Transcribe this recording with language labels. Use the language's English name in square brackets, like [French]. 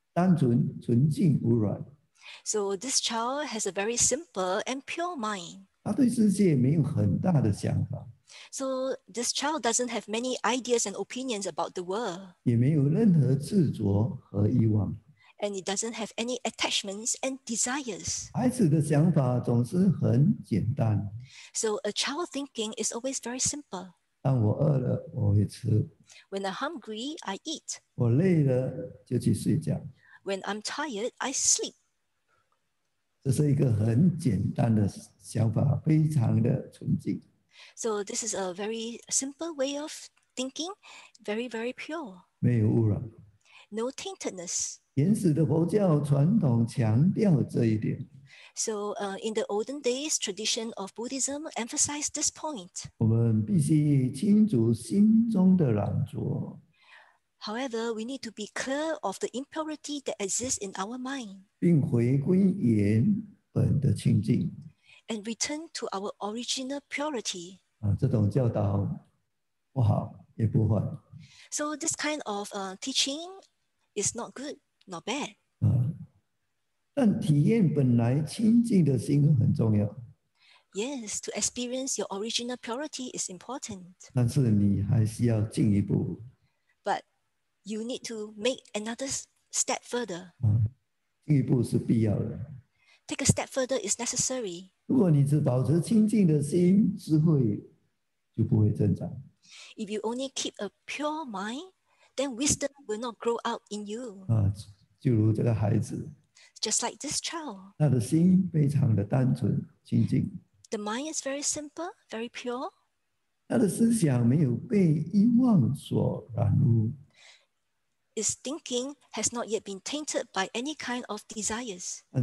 [Chinese] 你的孩子的心很单纯纯净无染。 [English] So this child has a very simple and pure mind. [Chinese] 他对世界没有很大的想法。 [English] So this child doesn't have many ideas and opinions about the world. [Chinese] 也没有任何执着和欲望。 [English] And it doesn't have any attachments and desires. [Chinese] 孩子的想法总是很简单。 [English] So a child thinking is always very simple. [Chinese] 当我饿了，我会吃。 [English] When I'm hungry, I eat. [Chinese] 我累了，就去睡觉。 [English] When I'm tired, I sleep. [Chinese] 这是一个很简单的想法，非常的纯净。 [English] So this is a very simple way of thinking, very, very pure. [Chinese] 没有污染。 [English] No taintedness. [Chinese] 原始的佛教传统强调这一点。 [English] So in the olden days, tradition of Buddhism emphasized this point. [Chinese] 我们必须清除心中的染浊。 [English] However, we need to be clear of the impurity that exists in our mind. [Chinese] 并回归原本的清净, [English] and return to our original purity. [Chinese] 啊, 这种教导不好, 也不坏。 [English] So this kind of teaching is not good, not bad. [Chinese] 啊, 但体验本来清净的心很重要。 [English] Yes, to experience your original purity is important. [Chinese] 但是你还需要进一步。 [English] But you need to make another step further. [Chinese] 进一步是必要的。 [English] Take a step further is necessary. [Chinese] 如果你只保持清净的心，智慧就不会增长。 [English] If you only keep a pure mind, then wisdom will not grow out in you. [Chinese] 就如这个孩子。 [English] Just like this child. [Chinese] 他的心非常的单纯，清净。 [English] The mind is very simple, very pure. [Chinese] 他的思想没有被欲望所染污。 [English] His thinking has not yet been tainted by any kind of desires.